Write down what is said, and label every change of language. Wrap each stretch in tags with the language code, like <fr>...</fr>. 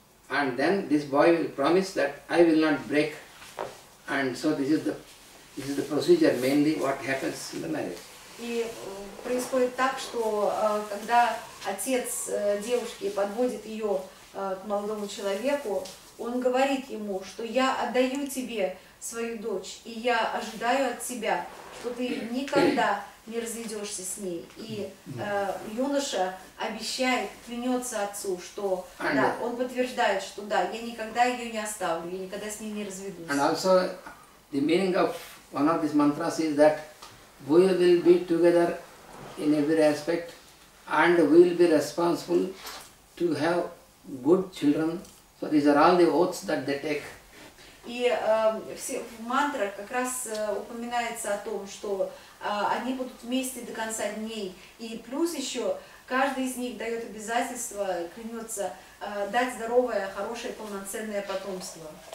<en>And then this boy will promise that I will not break. And so this is the procedure mainly what happens in the marriage.</en> <ru>И происходит так, что когда отец девушки подводит ее к молодому человеку, он говорит ему, что я отдаю тебе свою дочь, и я ожидаю от тебя, что ты никогда не разведешься с ней. И юноша обещает, клянется отцу, что да, он подтверждает, что да, я никогда ее не оставлю, я никогда с ней не разведусь.</ru> <en>And also the meaning of one of these mantras is that we will be together in every aspect, and we will be responsible to have good children. So these are all the oaths that they take.</en> <ru>И все в мантрах как раз упоминается о том, что они будут вместе до конца дней. И плюс еще каждый из них дает обязательство, клянется дать здоровое, хорошее, полноценное потомство.</ru>